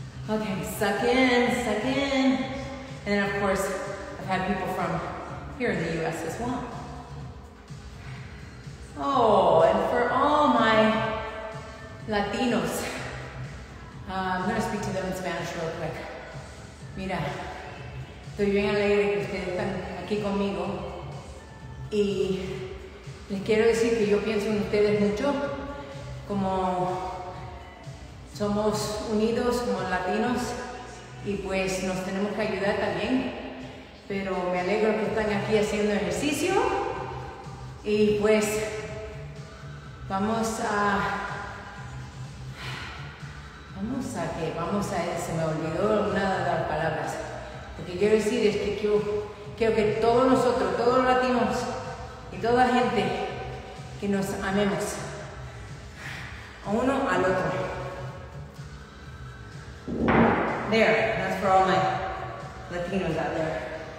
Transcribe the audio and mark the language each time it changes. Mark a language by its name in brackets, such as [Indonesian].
[English] Okay, suck in. And then of course, I've had people from here in the US as well. Oh, and for all my Latinos, I'm gonna speak to them in Spanish real quick. [Spanish] Mira, estoy bien alegre que ustedes están aquí conmigo. Y les quiero decir que yo pienso en ustedes mucho como somos unidos como latinos y pues nos tenemos que ayudar también. Pero me alegro que están aquí haciendo ejercicio y pues lo que quiero decir es que yo quiero que todos nosotros, todos los latinos y toda gente que nos amemos a uno al otro. [English] There, that's for all my Latinos out there.